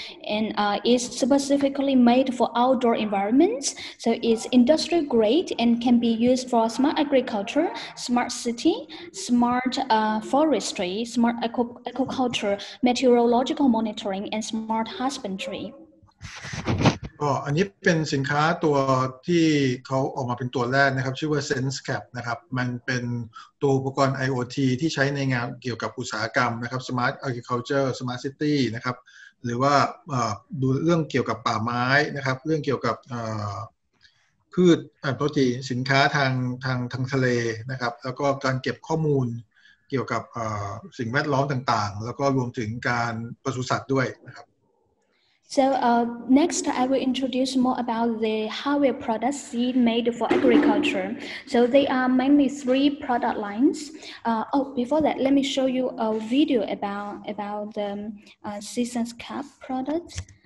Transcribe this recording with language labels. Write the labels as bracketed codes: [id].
[en] And it's specifically made for outdoor environments. So it's industry grade and can be used for smart agriculture, smart city, smart forestry, smart aquaculture, meteorological monitoring, and smart husbandry. [th] ก็อันนี้เป็นสินค้าตัวที่เขาออกมาเป็นตัวแรกนะครับชื่อว่า SenseCap นะครับมันเป็นตัวอุปกรณ์ IoT ที่ใช้ในงานเกี่ยวกับอุตสาหกรรมนะครับ Smart Agriculture Smart City นะครับหรือว่าดูเรื่องเกี่ยวกับป่าไม้นะครับเรื่องเกี่ยวกับพืชโปรตีนสินค้าทางทะเลนะครับแล้วก็การเก็บข้อมูลเกี่ยวกับสิ่งแวดล้อมต่างๆแล้วก็รวมถึงการปศุสัตว์ด้วยนะครับ [en] So next, I will introduce more about the hardware products Seed made for agriculture. So they are mainly three product lines. Before that, let me show you a video about the SenseCap product.